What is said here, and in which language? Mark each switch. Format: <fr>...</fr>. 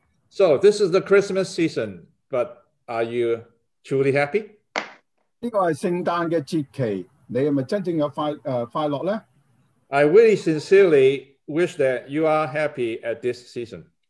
<en>So this is the Christmas season, but are you truly happy?</en> <yue>这个是圣诞的节期，你系咪真正有快乐咧？</yue> <en>I really sincerely wish that you are happy at this season.</en>